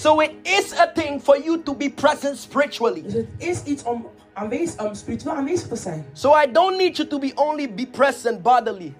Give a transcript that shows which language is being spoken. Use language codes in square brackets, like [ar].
[en] So it is a thing for you to be present spiritually. [nl] Dus het is iets om spiritueel aanwezig te zijn. [en] So I don't need you to only be present bodily.